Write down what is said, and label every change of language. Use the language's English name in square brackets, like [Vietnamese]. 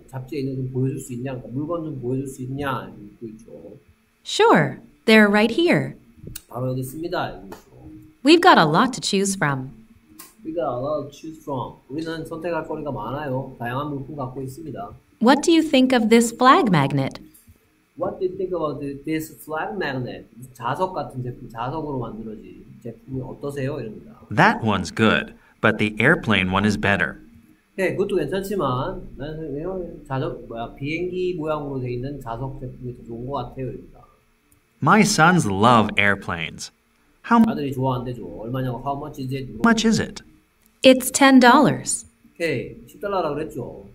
[Korean] 잡지에 있는 좀 보여줄 수 있냐? 물건 좀 보여줄 수 있냐? 있죠. [English] Sure, they're right here. [Korean] 바로 여기 있습니다. [English] We've got a lot to choose from. We got a lot to choose from. [Korean] 우리는 선택할 거리가 많아요. 다양한 물품 갖고 있습니다. [English] What do you think of this flag magnet? What do you think about this flag magnet? [Korean] 자석 같은 제품, 자석으로 만들어진 제품이 어떠세요? 이럽니다. [English] That one's good, but the airplane one is better. [Korean] 네, 그것도 괜찮지만 나는 자석, 뭐야, 비행기 모양으로 되어 있는 자석 제품이 더 좋은 것 같아요. 이럽니다. [English] My sons love airplanes. How [Korean] 아들이 좋아한대죠. 얼마냐고, [English] how much is it? Much is it? It's $10. [Korean] 네, 10달러라고 그랬죠.